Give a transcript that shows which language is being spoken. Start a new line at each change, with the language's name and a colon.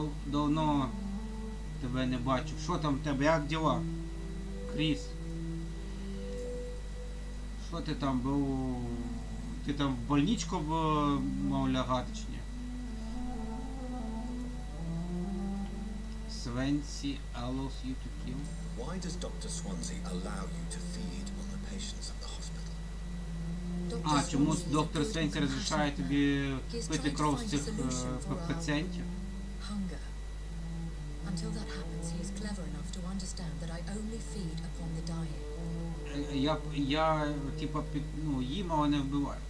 Ukrainian: Давно тебе не бачив. Що там в тебе? Як діла? Кріс. Що ти там був? Ти там в больничку мав лягати чи ні?
English: Свенсі allows you to kill? Why does Dr. Swansea allow you to feed on the patients of the hospital?
Ukrainian: А, чому доктор Свенсі розрішає тобі пити кров з цих пацієнтів?
English: Until that happens, he is clever enough to understand that I only feed upon the dying.
Ukrainian: Я типа, ну, їм, а вони вбивають.